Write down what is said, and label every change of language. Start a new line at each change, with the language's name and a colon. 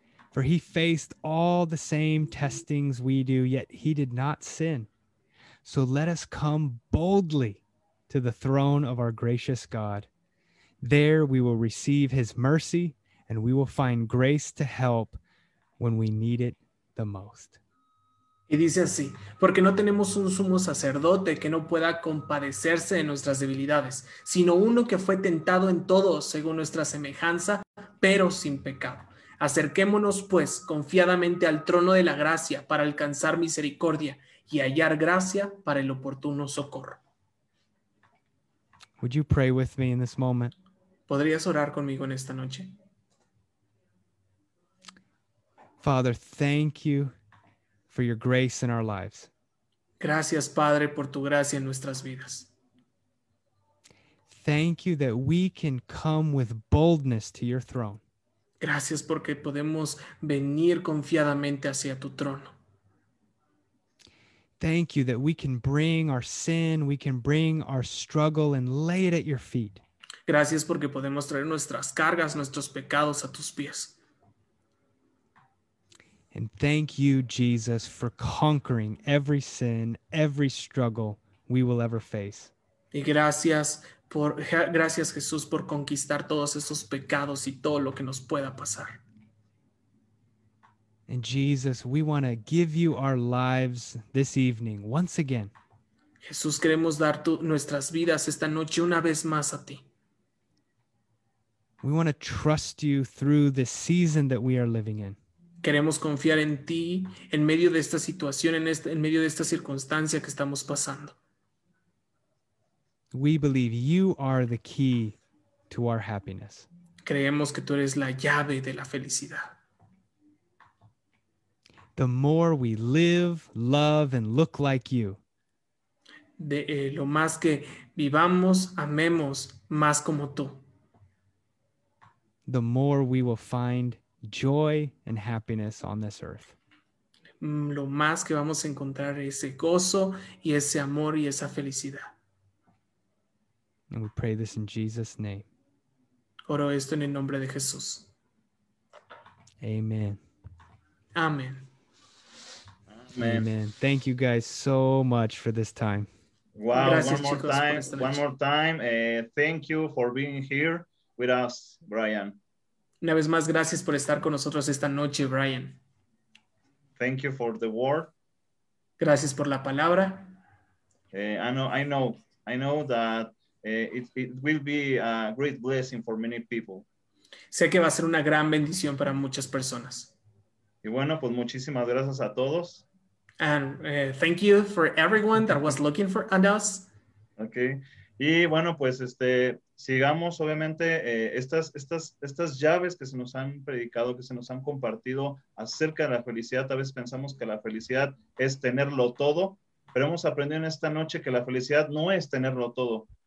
English: For he faced all the same testings we do, yet he did not sin. So let us come boldly to the throne of our gracious God. There we will receive his mercy and we will find grace to help when we need it the most.
Spanish: Y dice así, porque no tenemos un sumo sacerdote que no pueda compadecerse de nuestras debilidades, sino uno que fue tentado en todo según nuestra semejanza, pero sin pecado. Acerquémonos, pues, confiadamente al trono de la gracia para alcanzar misericordia y hallar gracia para el oportuno socorro.
English: Would you pray with me in this moment?
Spanish: ¿Podrías orar conmigo en esta noche?
English: Father, thank you for your grace in our lives.
Spanish: Gracias, Padre, por tu gracia en nuestras vidas.
English: Thank you that we can come with boldness to your throne.
Spanish: Gracias porque podemos venir confiadamente hacia tu trono.
English: Thank you that we can bring our sin, we can bring our struggle and lay it at your feet.
Spanish: Gracias porque podemos traer nuestras cargas, nuestros pecados a tus pies.
English: And thank you, Jesus, for conquering every sin, every struggle we will ever face.
Spanish: Y gracias Jesús por conquistar todos esos pecados y todo lo que nos pueda pasar.
English: And Jesus, we want to give you our lives this evening once again.
Spanish: Jesús, queremos dar nuestras vidas esta noche una vez más a ti.
English: We want to trust you through the season that we are living in.
Spanish: Queremos confiar en ti en medio de esta situación, en medio de esta circunstancia que estamos pasando.
English: We believe you are the key to our happiness.
Spanish: Creemos que tú eres la llave de la felicidad.
English: The more we live, love, and look like you.
Spanish: Lo más que vivamos, amemos más como tú.
English: The more we will find joy and happiness on this earth.
Spanish: Lo más que vamos a encontrar ese gozo y ese amor y esa felicidad.
English: And we pray this in Jesus' name.
Spanish: Oro esto en el nombre de Jesús.
English: Amen.
Spanish: Amen.
English: Amen. Amen. Thank you guys so much for this time. Wow, one more time. Thank you for being here with us, Brian.
Spanish: Una vez más, gracias por estar con nosotros esta noche, Brian.
English: Thank you for the word.
Spanish: Gracias por la palabra.
English: I know that it will be a great blessing for many people.
Spanish: Sé que va a ser una gran bendición para muchas personas. Y bueno, pues muchísimas gracias a todos.
English: And thank you for everyone that was looking for us. Okay.
Spanish: Y bueno, pues sigamos obviamente estas llaves que se nos han predicado, que se nos han compartido acerca de la felicidad. A veces pensamos que la felicidad es tenerlo todo, pero hemos aprendido en esta noche que la felicidad no es tenerlo todo.